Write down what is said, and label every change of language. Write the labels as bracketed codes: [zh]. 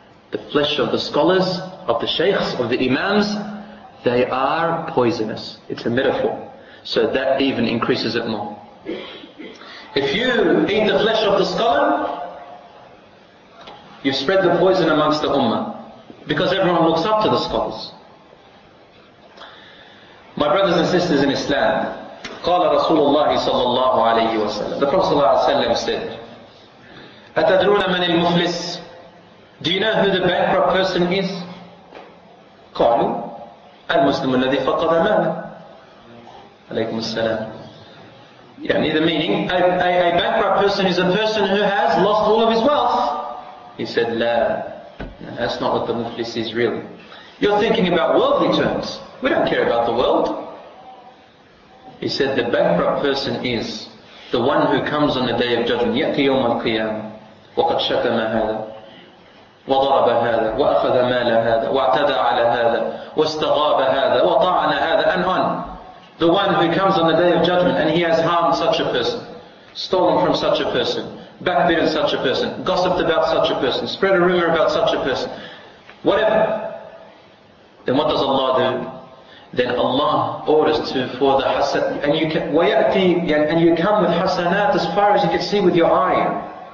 [en] The flesh of the scholars, of the shaykhs, of the imams, they are poisonous. It's a metaphor. So that even increases it more. If you eat the flesh of the scholar, you spread the poison amongst the ummah. Because everyone looks up to the scholars. My brothers and sisters in Islam, [ar] قال رسول الله صلى الله عليه وسلم. [en] The Prophet [ar] صلى الله عليه وسلم [en] said, [ar] أتدرون من المفلس؟ [en] Do you know who the bankrupt person is? [ar] قالوا المسلم الذي فقد ماله. عليكم السلام. يعني [en] the meaning, a bankrupt person is a person who has lost all of his wealth. He said, لا. That's not what the muflis is really. You're thinking about worldly terms. We don't care about the world. He said, the bankrupt person is the one who comes on the day of judgment. [ar] يأتي يوم القيامة وقد شتم هذا. [en] وضرب هذا وأخذ مال هذا واعتدى على هذا واستغاب هذا وطعن هذا and on. The one who comes on the day of judgment and he has harmed such a person, stolen from such a person, backbitten such a person, gossiped about such a person, spread a rumor about such a person, whatever. Then what does Allah do? Then Allah orders to for the hasad, and you can wayati, and you come with hasanat as far as you can see with your eye.